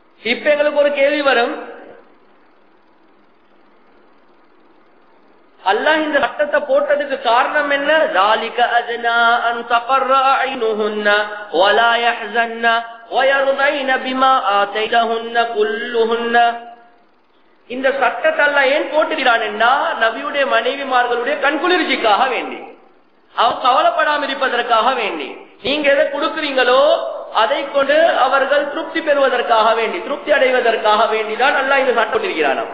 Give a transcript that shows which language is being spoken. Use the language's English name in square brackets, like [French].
[Tamil] இப்ப எங்களுக்கு ஒரு கேள்வி வரும், அல்லாஹ் இந்த சட்டத்தை போட்டதுக்கு காரணம் என்ன? [Arabic] ذلك اجنا ان تقر عينهن ولا يحزن ويرضين بما اتيتهن كلهن. [Tamil] இந்த சட்டத்தை அல்லாஹ் ஏன் போட்டிருக்கிறான்னா நபியுடைய மனைவிமார்களுடைய கண்குளிர்ச்சிக்காக வேண்டி, அவ கவலைப்படாமல் இருப்பதற்காக வேண்டி, நீங்க எதை கொடுக்குறீங்களோ அதை கொண்டு அவர்கள் திருப்தி பெறுவதற்காக வேண்டி, திருப்தி அடைவதற்காக வேண்டிதான் நல்லா இந்த சட்டம் போட்டிருக்கிறான்.